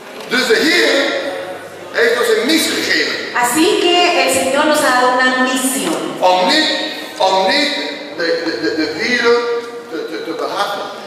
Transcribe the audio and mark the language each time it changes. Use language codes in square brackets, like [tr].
[nl] Dus de Heer heeft ons een missie gegeven. [es] Así que el Señor nos ha dado una misión. [nl] Om niet de wereld te behagen.